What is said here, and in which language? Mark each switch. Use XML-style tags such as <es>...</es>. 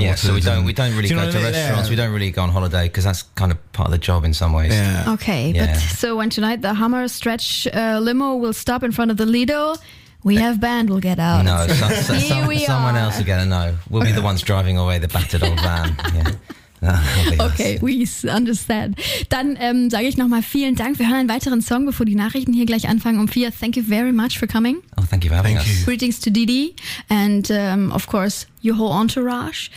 <en>Yeah, so we don't really go to restaurants. Yeah. We don't really go on holiday because that's kind of part of the job in some ways. Yeah. Okay, yeah. But so when tonight the Hammer Stretch limo will stop in front of the Lido, we have band will get out. No, someone else will get it. No, we'll be the ones driving away the battered old van. Yeah. Okay, we understand.</en> <de>Dann sage ich nochmal vielen Dank. Wir hören einen weiteren Song, bevor die Nachrichten hier gleich anfangen um 4.</de> <en>Thank you very much for coming. Oh, thank you for having us. Greetings to Didi and of course your whole entourage.</en>